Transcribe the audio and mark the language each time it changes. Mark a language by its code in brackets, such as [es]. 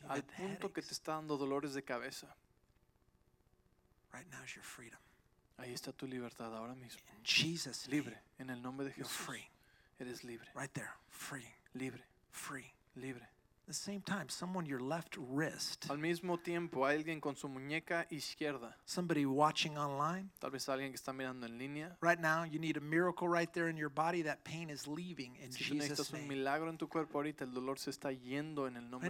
[es] You al punto headaches que te está dando dolores de cabeza. [en] Right now is your freedom. [es] Ahí está tu libertad ahora mismo. [en] In Jesus' name. [es] Libre. En el nombre de Jesús. [en] You're free. [es] Eres libre. [en] Right there. Free. [es] Libre. [en] Free. [es] Libre. [en] At the same time, someone your left wrist. [es] Al mismo tiempo, alguien con su muñeca izquierda. [en] Somebody watching online. [es] Tal vez alguien que está mirando en línea. [en] Right now, you need a miracle right there in your body. That pain is leaving in [es] si [en] Jesus' name. [es] Si necesitas un milagro en tu cuerpo ahorita, el dolor se está yendo en el nombre